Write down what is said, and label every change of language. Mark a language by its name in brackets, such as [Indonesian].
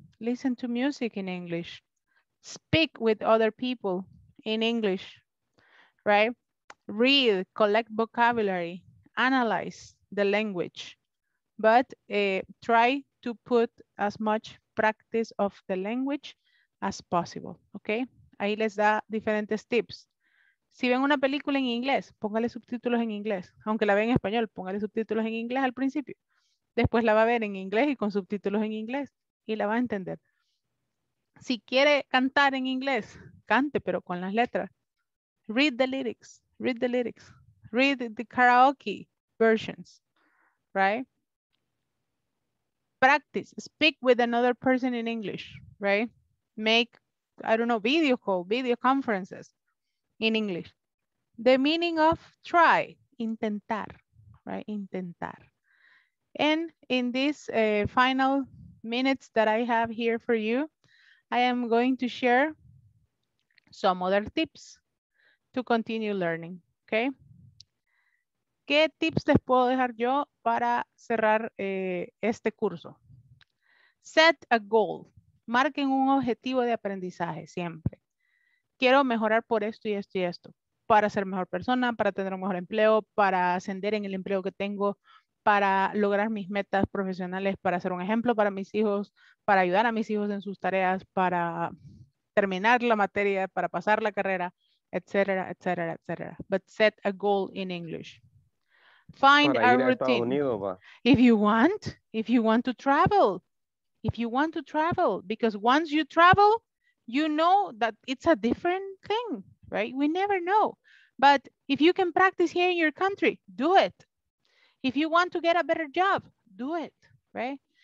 [English] Listen to music in English. Speak with other people in English, right? Read, collect vocabulary, analyze the language, but try to put as much practice of the language as possible, okay? [Spanish] Ahí les da diferentes tips. Si ven una película en inglés, póngale subtítulos en inglés. Aunque la vean en español, póngale subtítulos en inglés al principio. Después la va a ver en inglés y con subtítulos en inglés y la va a entender. Si quiere cantar en inglés, cante, pero con las letras. [English] Read the lyrics, read the lyrics. Read the karaoke versions, right? Practice, speak with another person in English, right? Make, I don't know, video call, video conferences in English. The meaning of try, intentar, right? Intentar. And in this final minutes that I have here for you, I am going to share some other tips to continue learning, okay? [Spanish] ¿Qué tips les puedo dejar yo para cerrar este curso? [English] Set a goal. [Spanish] Marquen un objetivo de aprendizaje siempre. Quiero mejorar por esto y esto y esto. Para ser mejor persona, para tener un mejor empleo, para ascender en el empleo que tengo, para lograr mis metas profesionales, para ser un ejemplo para mis hijos, para ayudar a mis hijos en sus tareas, para terminar la materia, para pasar la carrera, etcétera, etcétera, etcétera. [English] But set a goal in English. Find a routine. If you want to travel, if you want to travel, because once you travel, you know that it's a different thing, right? We never know. But if you can practice here in your country, do it. If you want to get a better job, do it, right?